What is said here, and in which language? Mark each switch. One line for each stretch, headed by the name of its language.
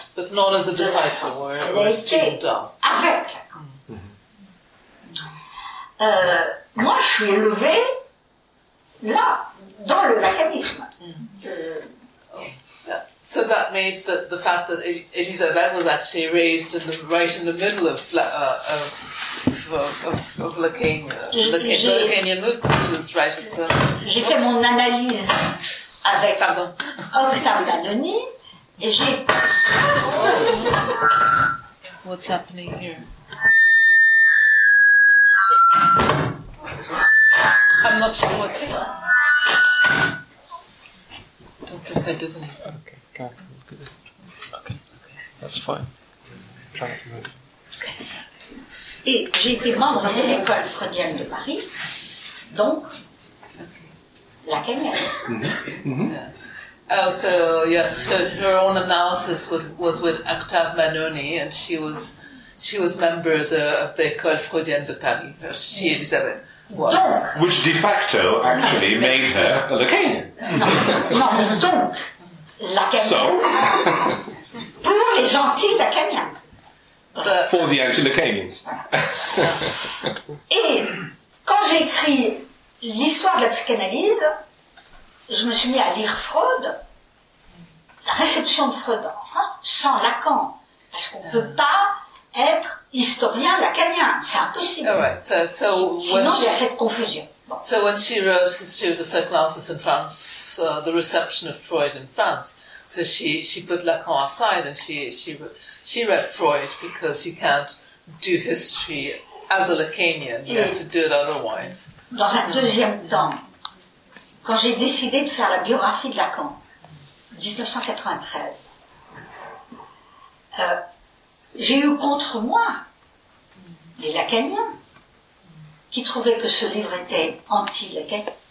English: But not as a disciple or a student.
French: Avec Lacan. Mm-hmm. Moi, je suis élevée là, dans le lacanisme. Mm-hmm.
English: So that made the fact that Elisabeth was actually raised in the middle of Lacanian movement. She was right at the.
French: J'ai fait mon analyse avec Octave Danoni et j'ai.
English: Oh. What's happening here? I'm not sure what's. I don't think I did anything.
French: Et j'ai été membre de l'école freudienne de Paris, donc lacanienne.
English: Oh, so yes, so her own analysis was with Octave Manoni, and she was member of the École freudienne de Paris. She Elisabeth.
French: Donc,
English: which de facto actually made her a lacanienne.
French: Non, donc. Lacanien.
English: So,
French: pour les anti-lacaniens.
English: For the anti-lacaniens.
French: Et quand j'ai écrit l'histoire de la psychanalyse, je me suis mis à lire Freud, la réception de Freud en France, sans Lacan. Parce qu'on ne peut pas être historien lacanien. C'est impossible.
English: All right. So
French: sinon, il y a cette confusion.
English: So when she wrote History of the Psychoanalysis in France, the reception of Freud in France, so she put Lacan aside and she read Freud because you can't do history as a Lacanian, you have to do it otherwise.
French: Dans un deuxième temps, quand j'ai décidé de faire la biographie de Lacan, 1993, j'ai eu contre moi les Lacaniens, qui trouvaient que ce livre était anti-lacanien.